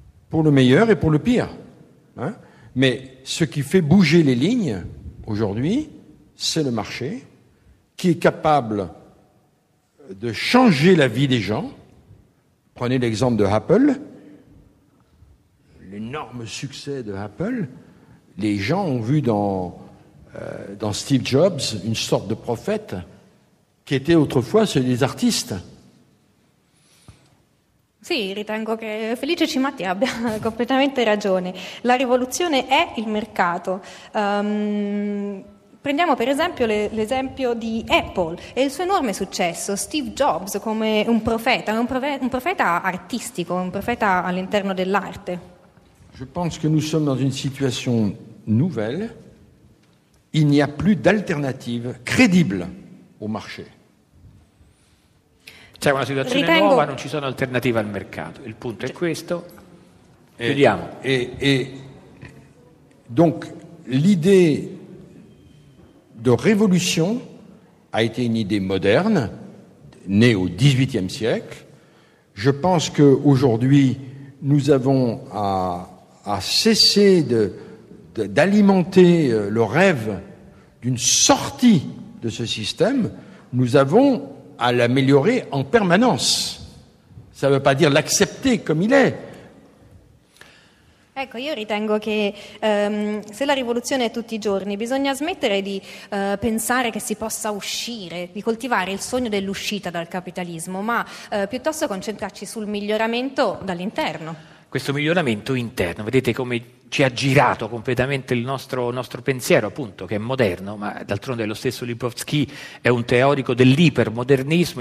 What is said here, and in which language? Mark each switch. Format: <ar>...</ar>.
<fr>Pour le meilleur et pour le pire. Hein? Mais ce qui fait bouger les lignes, aujourd'hui, c'est le marché, qui est capable de changer la vie des gens. Prenez l'exemple de Apple. L'énorme succès de Apple. Les gens ont vu dans Steve Jobs, une sorte de prophète qui était autrefois celui des artistes.</fr> <it>Sì, ritengo che Felice Cimatti abbia completamente ragione. La rivoluzione è il mercato. Prendiamo per esempio l'esempio di Apple e il suo enorme successo. Steve Jobs come un profeta artistico, un profeta all'interno dell'arte.</it> <fr>Je pense que nous sommes dans une situation nouvelle. il n'y a plus d'alternative crédible au marché.</fr> <it>C'è una situazione nuova, non ci sono alternative al mercato. Il punto è questo. Chiudiamo.</it> <fr>Donc l'idée de révolution a été une idée moderne, née au XVIIIe siècle. Je pense qu'aujourd'hui, nous avons à cesser d'alimenter le rêve d'une sortie de ce système. Nous avons à l'améliorer en permanence. Ça ne veut pas dire l'accepter comme il est.</fr> <it>Ecco, io ritengo che se la rivoluzione è tutti i giorni, bisogna smettere di pensare che si possa uscire, di coltivare il sogno dell'uscita dal capitalismo, ma piuttosto concentrarci sul miglioramento dall'interno. Questo miglioramento interno, vedete come ci ha girato completamente il nostro pensiero, appunto, che è moderno, ma d'altronde è lo stesso Lipovsky, è un teorico dell'ipermodernismo.</it>